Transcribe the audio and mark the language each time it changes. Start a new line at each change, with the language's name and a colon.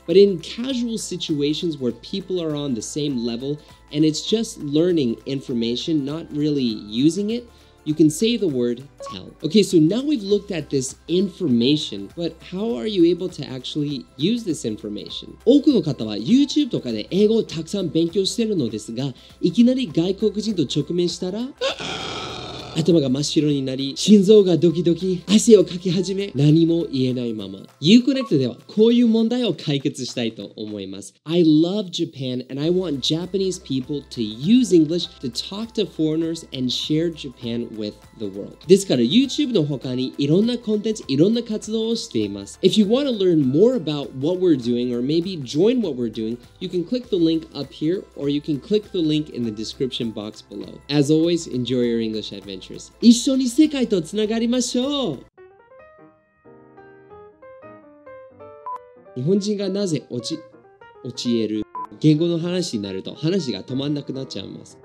English: But in casual situations where people are on the same level,And it's just learning information, not really using it. You can say the word tell. Okay, so now we've looked at this information, but how are you able to actually use this information?
Japanese: 多くの方は YouTube とかで英語をたくさん勉強してるのですが、いきなり外国人と直面したら、頭が真っ白になり、心臓がドキドキ、汗をかき始め、何も言えないまま。 U-Connect ではこういう問題を解決したいと思います。
English: I love Japan and I want Japanese people to use English to talk to foreigners and share Japan with the world.
Japanese: ですから YouTube の他にいろんなコンテンツ、いろんな活動をしています。
English: If you want to learn more about what we're doing or maybe join what we're doing, you can click the link up here or you can click the link in the description box below. As always, enjoy your English adventure.
Japanese: 一緒に世界とつながりましょう。日本人がなぜ落ちる言語の話になると話が止まんなくなっちゃいます。